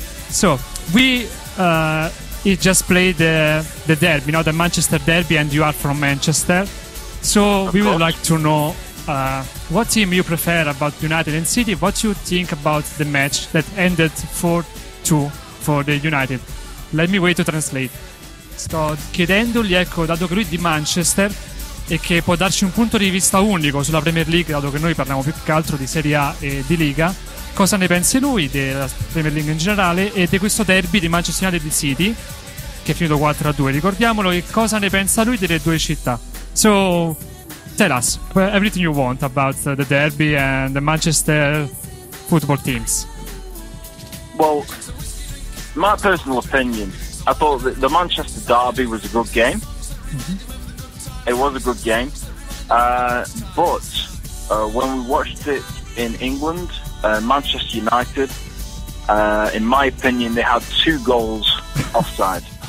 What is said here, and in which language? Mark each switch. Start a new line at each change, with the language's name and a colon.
English: So we just played the derby, you know, the Manchester derby, and you are from Manchester. So we would like to know what team you prefer about United and City. What you think about the match that ended 4-2 for the United? Let me wait to translate.
Italian: Sto chiedendogli, ecco, dato che lui è di Manchester e che può darci un punto di vista unico sulla Premier League, dato che noi parliamo più che altro di Serie A e di Liga, cosa ne pensi lui della Premier League in generale e di questo derby di Manchester United e di City, che è finito 4-2, ricordiamolo, e cosa ne pensa lui delle due città.
English: So, tell us everything you want about the derby and the Manchester football teams. Well, my personal opinion, I thought that the Manchester derby was a good game. Mm-hmm. It was a good game. But when we watched it in England, Manchester United, in my opinion, they had two goals offside.